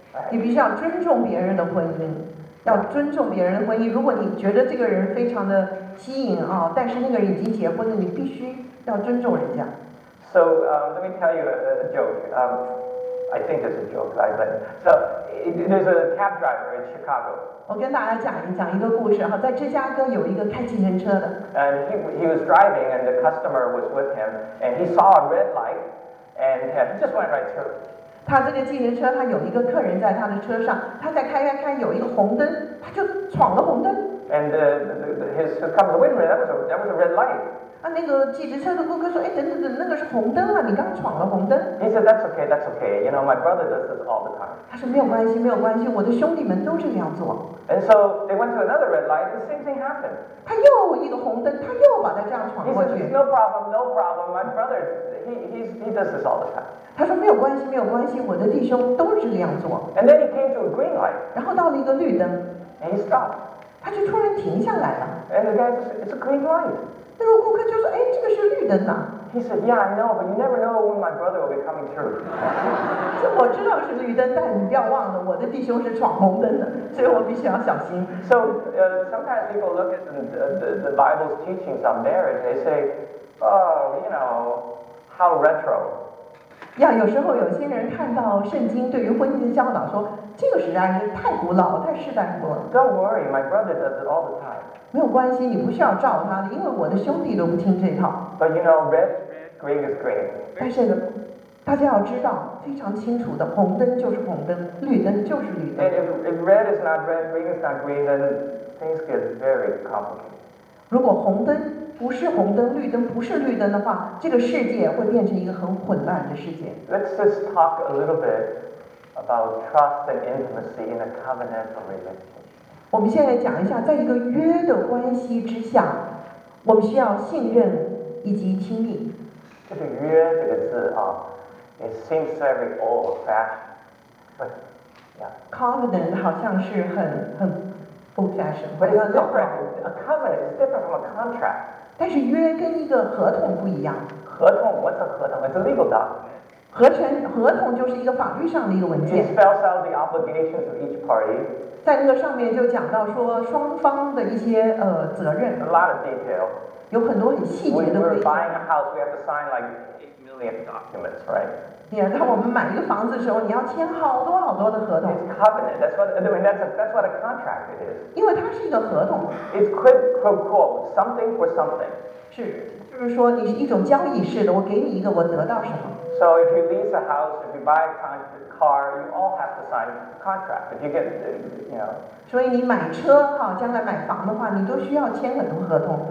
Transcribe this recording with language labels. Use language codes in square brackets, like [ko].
[zh] 你必须要尊重别人的婚姻，要尊重别人的婚姻。如果你觉得这个人非常的吸引啊，但是那个人已经结婚了，你必须要尊重人家。 [en] So let me tell you a joke. I think it's a joke, right? But so there's a cab driver in Chicago. [zh] 我跟大家讲一个故事哈，在芝加哥有一个开计程车的。 [en] And he was driving, and the customer was with him, and he saw a red light, and he just went right through. [zh] 他这个计程车，他有一个客人在他的车上，他在开，有一个红灯，他就闯了红灯。 [en] And his customer said, "Wait a minute, that was a red light." [zh] 啊，那个计程车的顾客说，哎，等，那个是红灯啊，你刚闯了红灯。 [en] He said, "That's okay. You know, my brother does this all the time." [zh] 他说没有关系，我的兄弟们都这样做。 [en] And so they went to another red light. The same thing happened. [zh] 他又一个红灯，他又把他这样闯过去。 [en] He said, "No problem. My brother, he does this all the time." [zh] 他说没有关系，我的弟兄都这样做。 [en] And then he came to a green light. [zh] 然后到了一个绿灯。 [en] And he stopped. [zh] 他就突然停下来了。 [en] And the guy said, "It's a green light." [zh] 那个顾客就说，哎，这个是绿灯啊。 [en] He said, "Yeah, I know, but you never know when my brother will be coming through." [zh] 这我知道是绿灯，但你不要忘了，我的弟兄是闯红灯的，所以我必须要小心。 [en] So, sometimes people look at the Bible's teachings on marriage. They say, "Oh, you know, how retro." [zh] 呀，有时候有些人看到圣经对于婚姻的教导说。这个实在是太古老，太世代古了。 [en] Don't worry, my brother does it all the time. [zh] 没有关系，你不需要照他的，因为我的兄弟都不听这套。 [en] But you know, red, green is green. [zh] 但是大家要知道非常清楚的，红灯就是红灯，绿灯就是绿灯。 [en] And if red is not red, green is not green, then things get very complicated. [zh] 如果红灯不是红灯，绿灯不是绿灯的话，这个世界会变成一个很混乱的世界。 [en] Let's just talk a little bit. About trust and intimacy in a covenantal relationship. [zh] 我们现在讲一下，在一个约的关系之下，我们需要信任以及亲密。这个约这个字啊 [en] ，it seems very old-fashioned. Yeah. [zh] Covenant 好像是很 old-fashioned. [en] But it's different. A covenant is different from a contract. [zh] 但是约跟一个合同不一样。 [en] 合同 ？What's a 合同 ？It's a legal document. [zh] 合同就是一个法律上的一个文件。 [en] It spells out the obligations of each party. [zh] 在那个上面就讲到说双方的一些责任。 [en] A lot of detail. [zh] 有很多很细节的规定。 [en] When we're buying a house, we have to sign like plenty of documents, right? [zh] Yeah, 当我们买一个房子的时候，你要签好多好多的合同。 [en] It's covenant. That's what I mean. That's what a contract it is. [zh] 因为它是一个合同。 [en] It's quid pro quo. Something for something. [zh] 是，就是说你是一种交易式的。我给你一个，我得到什么？ [en] So if you lease a house, if you buy a car, you all have to sign contract. If you get, you know. [zh] 所以你买车哈，将来买房的话，你都需要签很多合同。